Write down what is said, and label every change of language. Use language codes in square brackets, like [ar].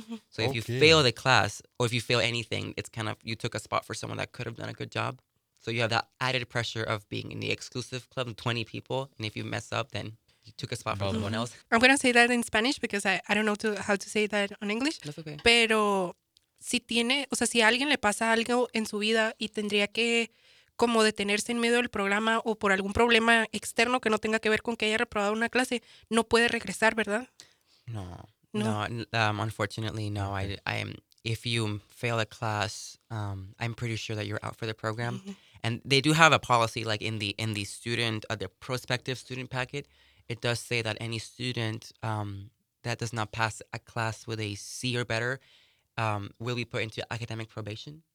[en] So if you fail the class or if you fail anything, it's kind of you took a spot for someone that could have done a good job. So you have that added pressure of being in the exclusive club of 20 people. And if you mess up, then you took a spot for someone else. I'm going to say that in Spanish because I don't know how to say that on English. That's okay. [es] Pero si tiene, o sea, si a alguien le pasa algo en su vida y tendría que como detenerse en medio del programa o por algún problema externo que no tenga que ver con que haya reprobado una clase, no puede regresar, ¿verdad? [en] No. Unfortunately, no. If you fail a class, I'm pretty sure that you're out for the program. Mm-hmm. And they do have a policy, like in the student, the prospective student packet, it does say that any student that does not pass a class with a C or better will be put into academic probation.